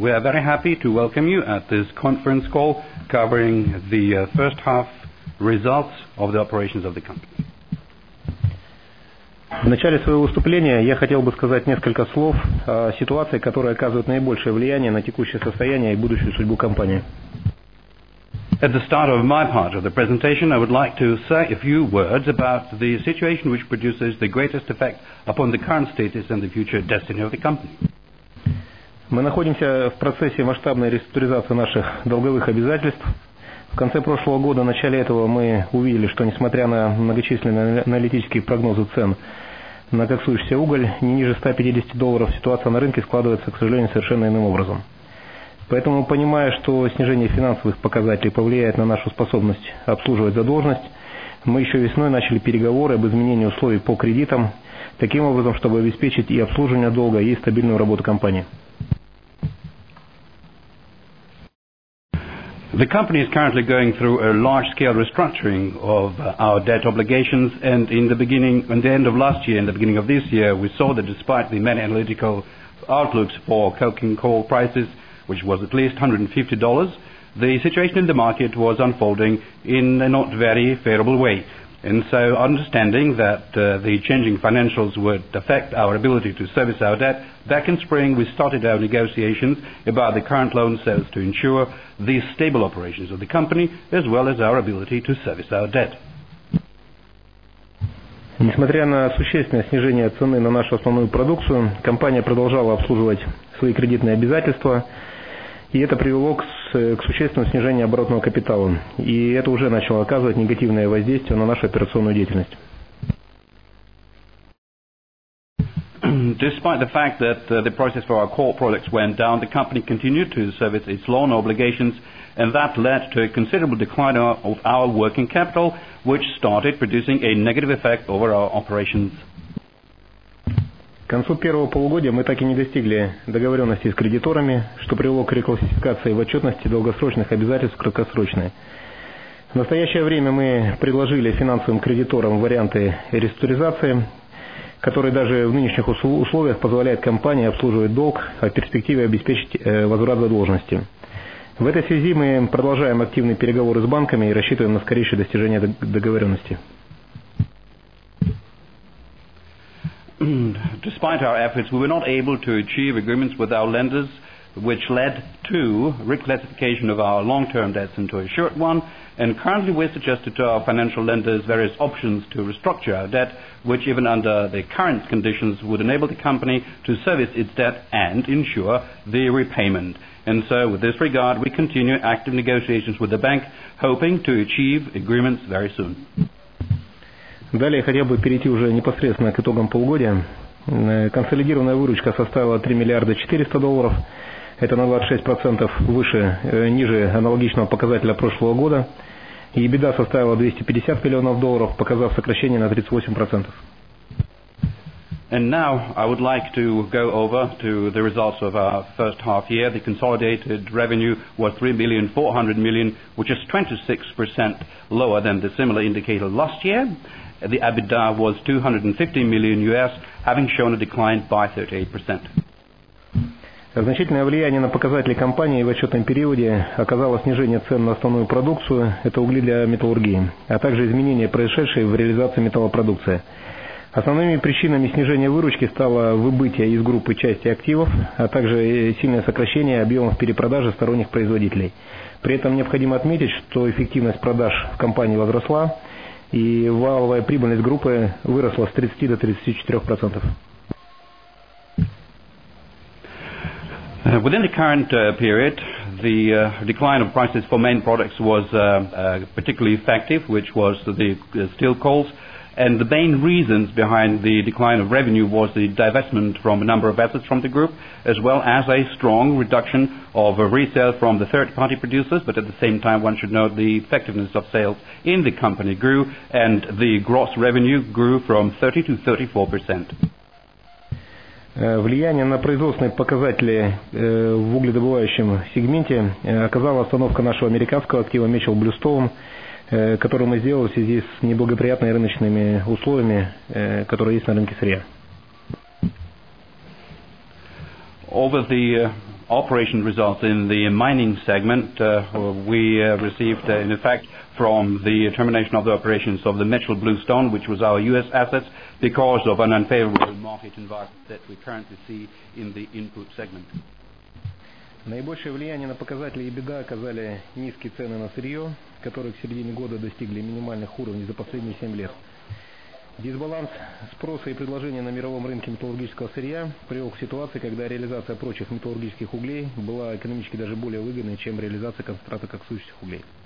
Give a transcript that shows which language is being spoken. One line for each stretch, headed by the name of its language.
English: We are very happy to welcome you at this conference call covering the first half results of the operations of the company.
Russian: В начале своего выступления я хотел бы сказать несколько слов о ситуации, которая оказывает наибольшее влияние на текущее состояние и будущую судьбу компании.
English: At the start of my part of the presentation, I would like to say a few words about the situation which produces the greatest effect upon the current status and the future destiny of the company.
Russian: Мы находимся в процессе масштабной реструктуризации наших долговых обязательств. В конце прошлого года, в начале этого, мы увидели, что, несмотря на многочисленные аналитические прогнозы цен на коксующийся уголь не ниже $150, ситуация на рынке складывается, к сожалению, совершенно иным образом. Поэтому, понимая, что снижение финансовых показателей повлияет на нашу способность обслуживать задолженность, мы еще весной начали переговоры об изменении условий по кредитам, таким образом, чтобы обеспечить и обслуживание долга, и стабильную работу компании.
English: The company is currently going through a large-scale restructuring of our debt obligations, and in the beginning, at the end of last year and the beginning of this year, we saw that despite the many analytical outlooks for coking coal prices, which was at least $150, the situation in the market was unfolding in a not very favorable way. And so, understanding that the changing financials would affect our ability to service our debt, back in spring, we started our negotiations about the current loan sales to ensure the stable operations of the company, as well as our ability to service our debt.
Russian: Несмотря на существенное снижение цены на нашу основную продукцию, компания продолжала обслуживать свои кредитные обязательства, и это привело к существенному снижению оборотного капитала, и это уже начало оказывать негативное воздействие на нашу операционную деятельность.
English: Despite the fact that the prices for our coal products went down, the company continued to service its loan obligations, and that led to a considerable decline of our working capital, which started producing a negative effect over our operations.
Russian: К концу первого полугодия мы так и не достигли договоренности с кредиторами, что привело к реклассификации в отчетности долгосрочных обязательств в краткосрочные. В настоящее время мы предложили финансовым кредиторам варианты реструктуризации, который даже в нынешних условиях позволяет компании обслуживать долг, а в перспективе обеспечить возврат задолженности. В этой связи мы продолжаем активные переговоры с банками и рассчитываем на скорейшее достижение договоренности.
English: Despite our efforts, we were not able to achieve agreements with our lenders, which led to reclassification of our long-term debts into a short one, and currently we suggested to our financial lenders various options to restructure our debt, which even under the current conditions would enable the company to service its debt and ensure the repayment. And so with this regard, we continue active negotiations with the bank, hoping to achieve agreements very soon.
Russian: Далее хотел бы перейти уже непосредственно к итогам полугодия. Консолидированная выручка составила 3 миллиарда 400 долларов. Это на 26% ниже аналогичного показателя прошлого года. EBITDA составила 250 миллионов долларов, показав сокращение на 38%.
English: And now I would like to go over to the results of our first half year. The consolidated revenue was 3.4 billion, which is 26% lower than the similar indicator last year. The EBITDA was 250 million US, having shown a decline by 38%.
Russian: Значительное влияние на показатели компании в отчетном периоде оказало снижение цен на основную продукцию, это угли для металлургии, а также изменения, происшедшие в реализации металлопродукции. Основными причинами снижения выручки стало выбытие из группы части активов, а также сильное сокращение объемов перепродажи сторонних производителей. При этом необходимо отметить, что эффективность продаж в компании возросла, и валовая прибыльность группы выросла с 30 до 34%.
English: Within the current period, the decline of prices for main products was particularly effective, which was the steel coals. And the main reasons behind the decline of revenue was the divestment from a number of assets from the group, as well as a strong reduction of resale from the third-party producers. But at the same time, one should note the effectiveness of sales in the company grew, and the gross revenue grew from 30 to 34%.
Russian: Влияние на производственные показатели в угледобывающем сегменте оказала остановка нашего американского актива Mitchell Bluestone, который мы сделали в связи с неблагоприятными рыночными условиями, которые есть на рынке сырья.
English: Over the operation results in the mining segment, we received an effect from the termination of the operations of the Mitchell Bluestone, which was our US assets, because of an unfavorable market environment that we currently see in the input segment.
Russian: Наибольшее влияние на показатели EBITDA оказали низкие цены на сырье, которые к середине года достигли минимальных уровней за последние 7 лет. Дисбаланс спроса и предложения на мировом рынке металлургического сырья привел к ситуации, когда реализация прочих металлургических углей была экономически даже более выгодной, чем реализация концентрата коксующих углей.